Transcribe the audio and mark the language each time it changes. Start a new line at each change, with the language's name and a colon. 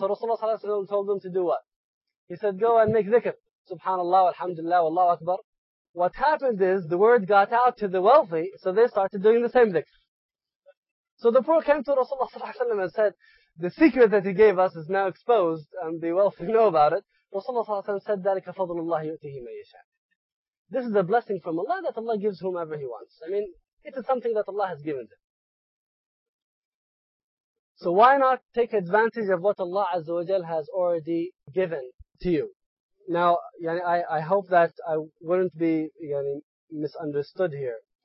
English: So Rasulullah Sallallahu Alaihi Wasallam told them to do what? He said, go and make dhikr. Subhanallah, alhamdulillah, wallahu akbar. What happened is, the word got out to the wealthy, so they started doing the same dhikr. So the poor came to Rasulullah Sallallahu Alaihi Wasallam and said, the secret that he gave us is now exposed, and the wealthy know about it. Rasulullah Sallallahu Alaihi Wasallam said,
Arabic: ذَلِكَ فَضُلُ اللَّهِ يُؤْتِهِ مَنْ يَشَاءَ.
English: This is a blessing from Allah that Allah gives whomever He wants. I mean, it is something that Allah has given them. So why not take advantage of what Allah Azza wa Jal has already given to you? Now, yani, I hope that I wouldn't be yani, misunderstood here.